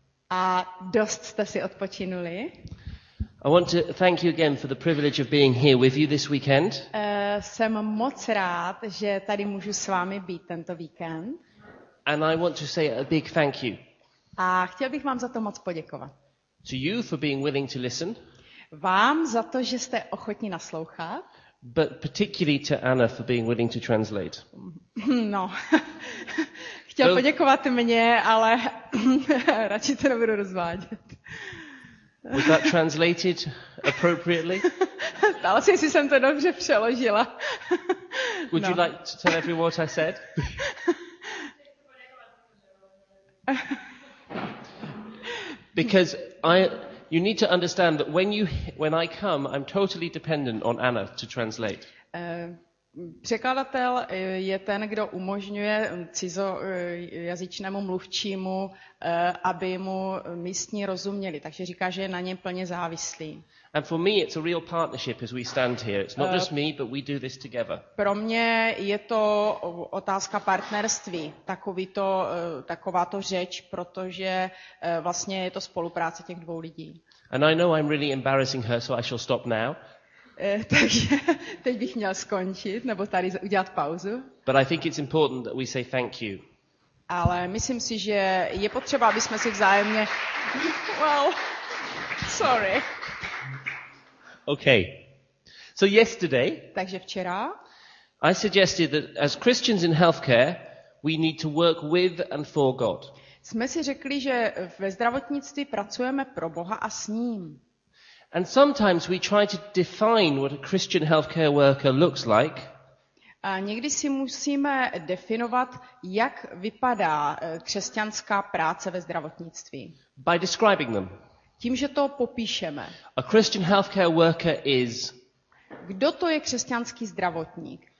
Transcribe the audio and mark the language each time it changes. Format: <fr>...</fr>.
<cs>A dost jste si odpočinuli?</cs> <en>I want to thank you again for the privilege of being here with you this weekend.</en> <cs>Jsem moc rád, že tady můžu s vámi být tento víkend.</cs> <en>And I want to say a big thank you.</en> <cs>A chtěl bych vám za to moc poděkovat.</cs> <en>To you for being willing to listen.</en> <cs>Vám za to, že jste ochotní naslouchat.</cs> <en>But particularly to Anna for being willing to translate.</en> <cs>No. Chtěl</cs> <en>well,</en> <cs>poděkovat mně, ale radši to nebudu rozvádět.</cs> <en>Was that translated appropriately?</en> <cs>Dál si, jestli jsem to dobře přeložila.</cs> <en>Would no. You like to tell everyone what I said? Because you need to understand that when I come, I'm totally dependent on Anna to translate.</en> <cs>Překladatel je ten, kdo umožňuje cizojazyčnému mluvčímu, aby mu místní rozuměli. Takže říká, že je na něm plně závislý.</cs> <en>And for me, it's a real partnership as we stand here. It's not just me, but we do this together.</en> <cs>Pro mě je to otázka partnerství, taková to řeč, protože vlastně je to spolupráce těch dvou lidí.</cs> <en>And I know I'm really embarrassing her, so I shall stop now.</en> <cs>Takže teď bych měl skončit nebo tady udělat pauzu.</cs> <en>But I think it's important that we say thank you.</en> <cs>Ale myslím si, že je potřeba, aby jsme si vzájemně</cs> <en>well, sorry. Okay. So yesterday,</en> <cs>takže včera,</cs> <en>I suggested that as Christians in healthcare, we need to work with and for God.</en> <cs>Jsme si řekli, že ve zdravotnictví pracujeme pro Boha a s ním.</cs> <en>And sometimes we try to define what a Christian healthcare worker looks like.</en> <cs>A někdy si musíme definovat, jak vypadá křesťanská práce ve zdravotnictví.</cs> <en>By describing them.</en> <cs>Tím, že to popíšeme.</cs> <en>A Christian healthcare worker is.</en> <cs>Kdo to je křesťanský zdravotník?</cs>